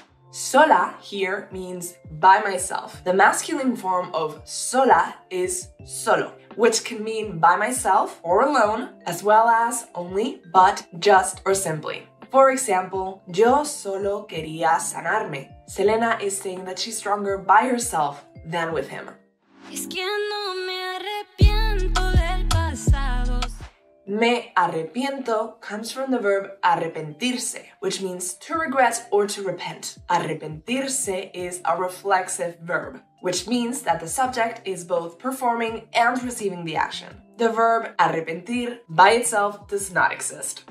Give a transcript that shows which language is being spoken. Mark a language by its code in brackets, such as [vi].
[en] Sola here means by myself. The masculine form of sola is solo, which can mean by myself or alone, as well as only, but, just, or simply. For example, [es] yo solo quería sanarme. [en] Selena is saying that she's stronger by herself than with him. [es] Es que no me arrepiento del pasado. [en] Me arrepiento comes from the verb arrepentirse, which means to regret or to repent. Arrepentirse is a reflexive verb, which means that the subject is both performing and receiving the action. The verb arrepentir by itself does not exist.